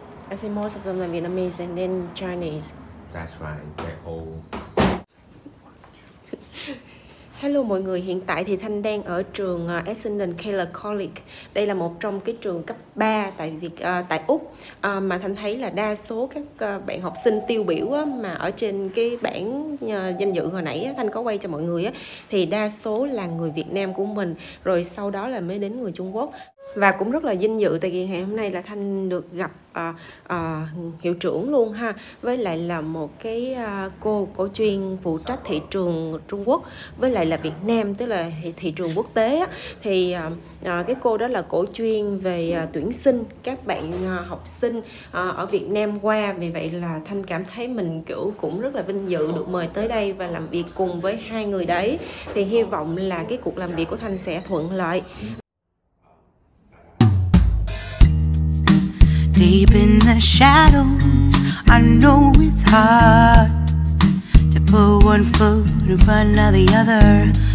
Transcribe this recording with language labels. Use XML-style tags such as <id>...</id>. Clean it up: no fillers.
<en>I think most of them are Vietnamese and then Chinese. That's right, they all.</en> <vi>Hello mọi người, hiện tại thì Thanh đang ở trường Essendon Keller College. Đây là một trong cái trường cấp 3 tại Việt, tại Úc, mà Thanh thấy là đa số các bạn học sinh tiêu biểu á, mà ở trên cái bảng danh dự hồi nãy á, Thanh có quay cho mọi người á, thì đa số là người Việt Nam của mình, rồi sau đó là mới đến người Trung Quốc. Và cũng rất là vinh dự tại vì ngày hôm nay là Thanh được gặp hiệu trưởng luôn ha, với lại là một cái cô chuyên phụ trách thị trường Trung Quốc với lại là Việt Nam, tức là thị trường quốc tế á. Thì cái cô đó là cô chuyên về tuyển sinh các bạn học sinh ở Việt Nam qua. Vì vậy là Thanh cảm thấy mình kiểu cũng rất là vinh dự được mời tới đây và làm việc cùng với hai người đấy. Thì hy vọng là cái cuộc làm việc của Thanh sẽ thuận lợi.</vi> <en>Deep in the shadows, I know it's hard to put one foot in front of the other.</en>